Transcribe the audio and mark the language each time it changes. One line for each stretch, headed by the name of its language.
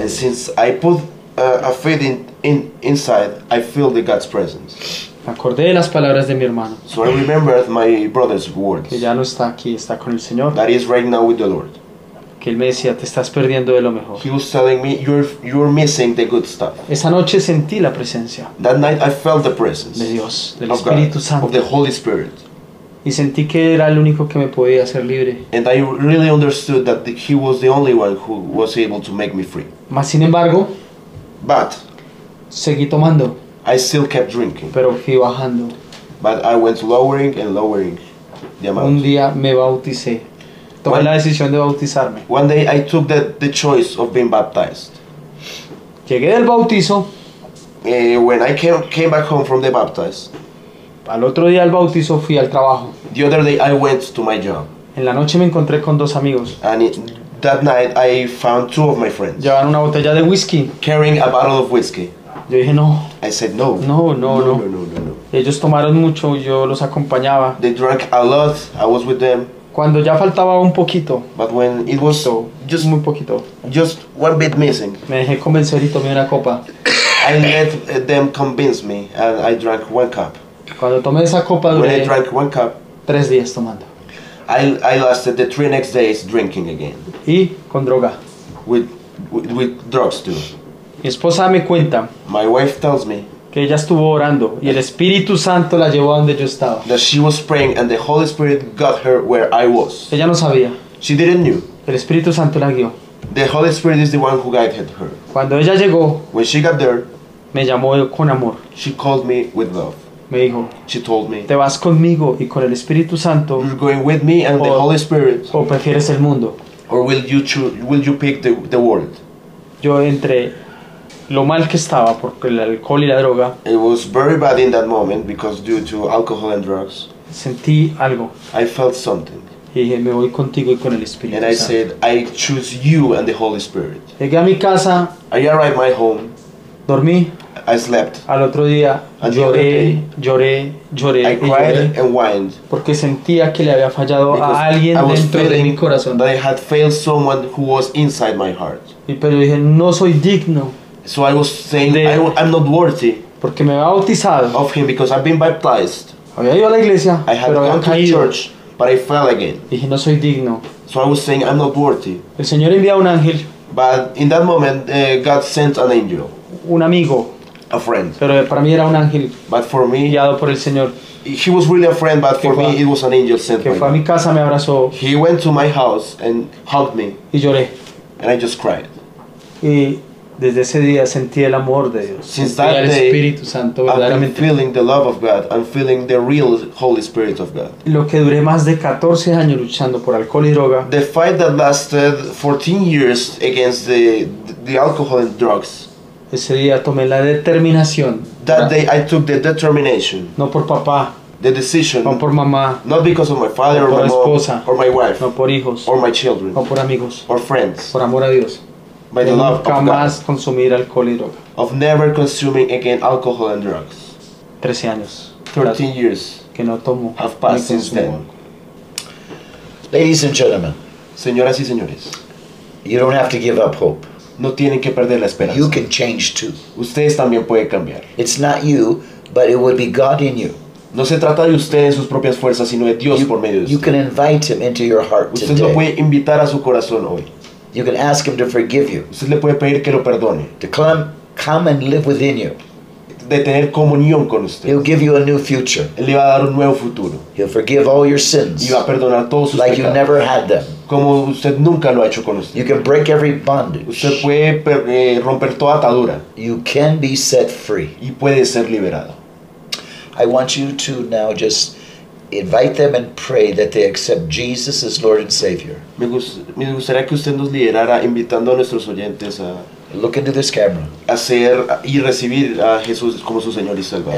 English: And since I put a faith in inside, I feel the God's presence.
Spanish: Acordé las palabras de mi hermano.
English: So I remembered my brother's words.
Spanish: Que ya no está aquí, está con el Señor.
English: That is right now with the Lord.
Spanish: Que él me decía, te estás perdiendo de lo mejor.
English: He was telling me, you're missing the good stuff.
Spanish: Esa noche sentí la presencia.
English: That night I felt the presence.
Spanish: De Dios, del Espíritu Santo.
English: Of the Holy Spirit.
Spanish: Y sentí que era el único que me podía hacer libre.
English: And I really understood that he was the only one who was able to make me free.
Spanish: Mas sin embargo.
English: But.
Spanish: Seguí tomando.
English: I still kept drinking.
Spanish: Pero fui bajando.
English: But I went lowering and lowering the amount.
Spanish: Un día me bauticé. Tomé la decisión de bautizarme.
English: One day I took the choice of being baptized.
Spanish: Llegué del bautizo.
English: When I came back home from the baptized.
Spanish: Al otro día al bautizo fui al trabajo.
English: The other day I went to my job.
Spanish: En la noche me encontré con dos amigos.
English: And that night I found two of my friends.
Spanish: Llevaron una botella de whisky.
English: Carrying a bottle of whiskey.
Spanish: Yo dije no.
English: I said no.
Spanish: No, no, no. No, no, no, no, no. Ellos tomaron mucho, yo los acompañaba.
English: They drank a lot, I was with them.
Spanish: Cuando ya faltaba un poquito.
English: But when it was
Spanish: poquito,
English: just
Spanish: muy poquito.
English: Just one bit missing.
Spanish: Me dejé convencer y tomé una copa.
English: I let them convince me and I drank one cup.
Spanish: Cuando tomé esa copa duré
English: when I drank one cup,
Spanish: 3 días tomando.
English: I lasted the 3 next days drinking again.
Spanish: Y con droga.
English: With drugs too.
Spanish: Mi esposa me cuenta.
English: My wife tells me
Spanish: que ella estuvo orando y el Espíritu Santo la llevó a donde yo estaba.
English: That she was praying and the Holy Spirit got her where I was.
Spanish: Ella no sabía.
English: She didn't knew.
Spanish: El Espíritu Santo la guió.
English: The Holy Spirit is the one who guided her.
Spanish: Cuando ella llegó,
English: when she got there,
Spanish: me llamó con amor.
English: She called me with love.
Spanish: Me dijo,
English: she told me,
Spanish: te vas conmigo y con el Espíritu Santo.
English: You're going with me and the Holy Spirit.
Spanish: O prefieres el mundo.
English: Or will you pick the world?
Spanish: Yo entré lo mal que estaba por el alcohol y la droga.
English: It was very bad in that moment because due to alcohol and drugs.
Spanish: Sentí algo.
English: I felt something.
Spanish: Y dije, me voy contigo y con el Espíritu Santo.
English: And I said, I choose you and the Holy Spirit.
Spanish: Llegué a mi casa.
English: I arrived my home.
Spanish: Dormí.
English: I slept.
Spanish: Al otro día lloré, lloré, lloré,
English: I cried and whined.
Spanish: Porque sentía que le había fallado a alguien dentro de mi corazón.
English: That I had failed someone who was inside my heart.
Spanish: Y pero dije, no soy digno.
English: So I was saying, I'm not worthy.
Spanish: Porque me había bautizado.
English: Of him because I've been baptized.
Spanish: Había ido a la iglesia,
English: I had
Spanish: pero
English: gone
Spanish: caído.
English: To church, but I fell again.
Spanish: Y dije, no soy digno.
English: So I was saying, I'm not worthy.
Spanish: El Señor envía un ángel.
English: But in that moment, God sent an angel.
Spanish: Un amigo.
English: A friend.
Spanish: Pero para mí era un ángel.
English: But for me,
Spanish: guiado por el Señor.
English: He was really a friend, but for me it was an angel sent.
Spanish: Que fue a mi casa, me abrazó.
English: He went to my house and hugged me.
Spanish: Y lloré.
English: And I just cried.
Spanish: Y desde ese día sentí el amor de Dios.
English: Since that day, I'm feeling the love of God. I'm feeling the real Holy Spirit of God.
Spanish: Lo que duré más de 14 años luchando por alcohol y droga.
English: The fight that lasted 14 years against the alcohol and drugs.
Spanish: Ese día tomé la determinación.
English: That day I took the determination.
Spanish: No por papá.
English: The decision.
Spanish: No por mamá.
English: Not because of my father or my mom.
Spanish: No por esposa.
English: Or my wife.
Spanish: No por hijos.
English: Or my children.
Spanish: No por amigos.
English: Or friends.
Spanish: Por amor a Dios.
English: By the love of God.
Spanish: Jamás consumir alcohol y droga.
English: Of never consuming again alcohol and drugs.
Spanish: 13 años.
English: 13 years.
Spanish: Que no tomo.
English: Have passed since then. Ladies and gentlemen.
Spanish: Señoras y señores.
English: You don't have to give up hope.
Spanish: No tienen que perder la esperanza.
English: You can change too.
Spanish: Ustedes también pueden cambiar.
English: It's not you, but it will be God in you.
Spanish: No se trata de ustedes sus propias fuerzas, sino de Dios por medio de ustedes.
English: You can invite him into your heart
Spanish: usted
English: today.
Spanish: Usted lo puede invitar a su corazón hoy.
English: You can ask him to forgive you.
Spanish: Usted le puede pedir que lo perdone.
English: To come and live within you.
Spanish: de tener comunión con usted.
English: He'll give you a new future.
Spanish: Él le va a dar un nuevo futuro.
English: He'll forgive all your sins.
Spanish: Y va a perdonar todos sus
English: pecados. Like you never had them.
Spanish: Como usted nunca lo ha hecho con usted.
English: You can break every bondage.
Spanish: Usted puede romper toda atadura.
English: You can be set free.
Spanish: Y puede ser liberado.
English: I want you to now just invite them and pray that they accept Jesus as Lord and Savior.
Spanish: Me gustaría que usted nos liderara invitando a nuestros oyentes a
English: look into this camera.
Spanish: Hacer y recibir a Jesús como su Señor y Salvador.